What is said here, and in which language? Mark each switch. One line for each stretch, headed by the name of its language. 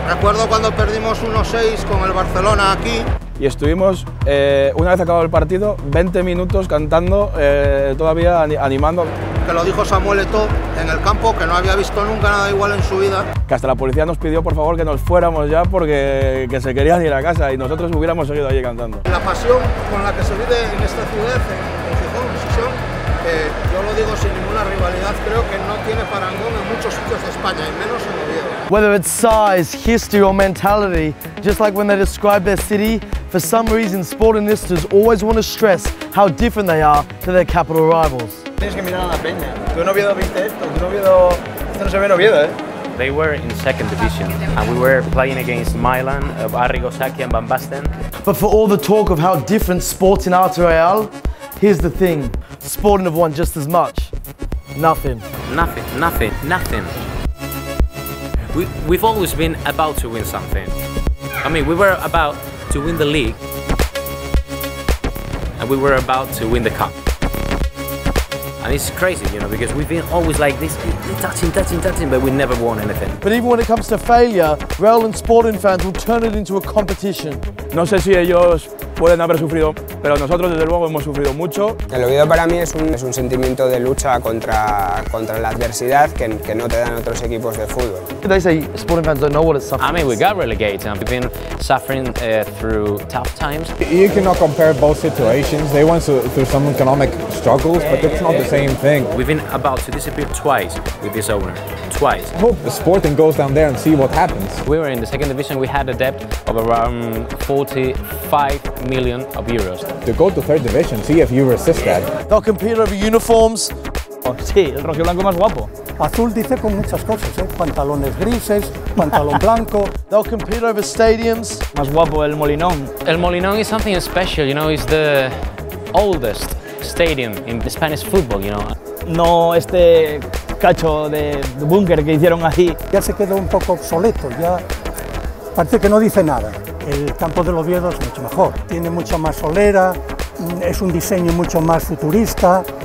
Spanish: Recuerdo cuando perdimos 1-6 con el Barcelona aquí. Y estuvimos, una vez acabado el partido, 20 minutos cantando, todavía animando. Que lo dijo Samuel Eto'o en el campo, que no había visto nunca nada igual en su vida. Que hasta la policía nos pidió por favor que nos fuéramos ya porque que se querían ir a casa y nosotros hubiéramos seguido allí cantando. La pasión con la que se vive en esta ciudad, en Gijón, yo lo digo sin ninguna rivalidad, creo que no tiene parangón en muchos sitios de España, y menos en Oviedo.
English: Whether it's size, history or mentality, just like when they describe their city, for some reason Sportingistas always want to stress how different they are to their capital rivals.
Spanish: Tienes que mirar a la peña. Tú en Oviedo viste esto, tú en Oviedo... Esto no se ve en Oviedo, ¿eh?
English: They were in second division and we were playing against Milan, Arrigosaki and Van Basten. But for all the talk of how different Sporting are to Real, here's the thing, Sporting have won just as much. Nothing. Nothing, nothing, nothing. We've always been about to win something. I mean, we were about to win the league. And we were about to win the cup. And it's crazy, you know, because we've been always like this, touching, touching, touching, but we never won anything. But even when it comes to failure, Real and Sporting fans will turn it into a competition.
Spanish: No sé si ellos pueden haber sufrido, pero nosotros desde luego hemos sufrido mucho. El Oviedo para mí es un sentimiento de lucha contra la adversidad que no te dan otros equipos de fútbol.
English: They say Sporting fans don't know what it's suffering. I mean, we got relegated and we've been suffering through tough times. You cannot compare both situations. They went through some economic struggles, but it's not the same thing. We've been about to disappear twice with this owner, twice. I hope the Sporting goes down there and see what happens. We were in the second division, we had a debt of around 45 million of euros. To go to third division, see if you resist that. They'll compete over uniforms.
Spanish: Oh, sí, el rojo blanco más guapo. Azul dice con muchas cosas, ¿eh? Pantalones grises, pantalón blanco.
English: They'll compete over stadiums.
Spanish: Más guapo el Molinón.
English: El Molinón is something special, you know, it's the oldest stadium in the Spanish football, you know.
Spanish: No este cacho de búnker que hicieron ahí. Ya se quedó un poco obsoleto, ya parece que no dice nada. El campo de Oviedo es mucho mejor. Tiene mucha más solera, es un diseño mucho más futurista.